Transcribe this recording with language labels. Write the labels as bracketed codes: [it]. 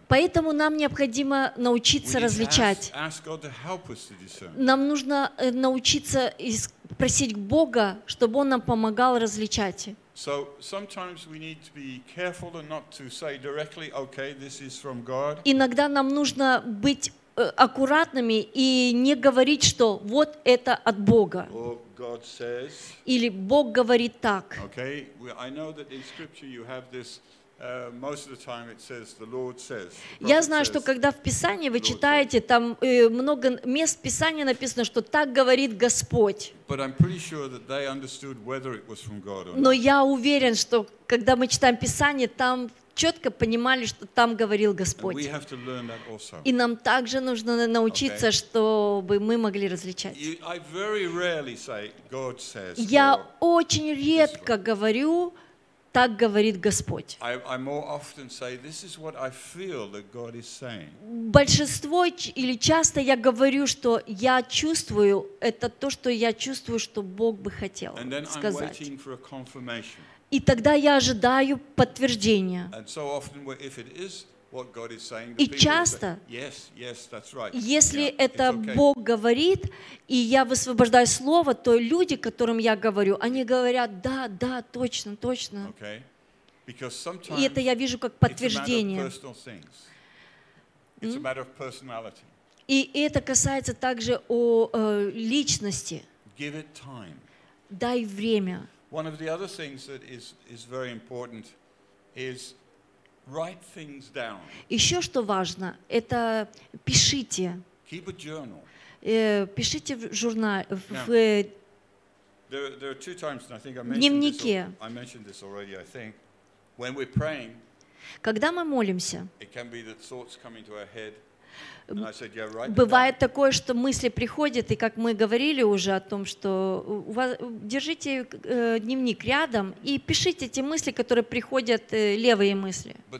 [ru] Поэтому нам необходимо научиться различать. [en] Ask God to help us to discern. [ru] Нам нужно научиться просить Бога, чтобы Он нам помогал различать. [en] So sometimes we need to be careful and not to say directly, okay, this is from God. [ru] Иногда нам нужно быть аккуратными и не говорить, что вот это от Бога. [en] God says. [ru] Или Бог говорит так. [en] Okay, well, I know that in scripture you have this most of the time it says the Lord says. [ru] Я знаю, что когда в Писании вы читаете, там много мест Писания написано, что так говорит Господь. [en] But I'm pretty sure that they understood whether it was from God or not. [ru] Но я уверен, что когда мы читаем Писание, там четко понимали, что там говорил Господь. [en] And we have to learn that also. [ru] И нам также нужно научиться, okay, чтобы мы могли различать. [en] I very rarely say God says. [ru] Я очень редко говорю, так говорит Господь. [en] I more often say, this is what I feel that God is saying. [ru] Большинство или часто я говорю, что я чувствую, это то, что я чувствую, что Бог бы хотел [en] and then [ru] сказать. [en] I'm waiting for a confirmation. [ru] И тогда я ожидаю подтверждения. [en] And so often, if it is what God is saying, [ru] и часто, [en] yes, yes, that's right. [ru] Если yeah, это okay. Бог говорит, и я высвобождаю слово, то люди, которым я говорю, они говорят, да, да, точно, точно. [en] Okay. Because sometimes [ru] и это я вижу как подтверждение. [en] It's a matter of personal things. It's a matter of personality. [ru] И это касается также о личности. [en] Give it time. [ru] Дай время. [en] One of the other things that is very important is write things down. [ru] Еще что важно, это пишите. [en] Keep a journal. [ru] Пишите в журнал. [en] There are two times, and I think I mentioned [ru] дневнике. [en] This. I mentioned this already, I think. When we're praying. [ru] Когда мы молимся. [en] It can be that thoughts come into our head. And I said, yeah, write them. [ru] Бывает такое, что мысли приходят, и как мы говорили уже о том, что у вас, держите дневник рядом и пишите те мысли, которые приходят, левые мысли.